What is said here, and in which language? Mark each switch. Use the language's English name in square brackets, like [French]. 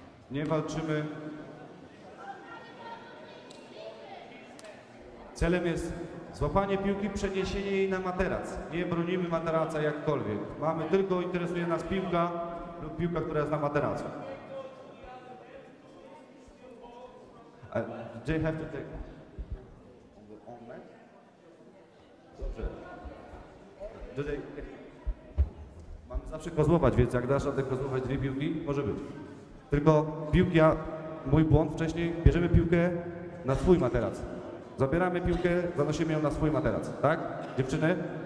[Polish] Nie walczymy. Celem jest złapanie piłki, przeniesienie jej na materac. Nie bronimy materaca jakkolwiek. Mamy tylko, interesuje nas piłka lub piłka, która jest na materacu. [English] Do you have to take on the on mat? [Polish] Dobrze. Mamy zawsze kozłować, więc jak dasz radę kozłować dwie piłki, może być. Tylko piłki, mój błąd wcześniej, bierzemy piłkę na swój materac. Zabieramy piłkę, zanosimy ją na swój materac, tak? Dziewczyny?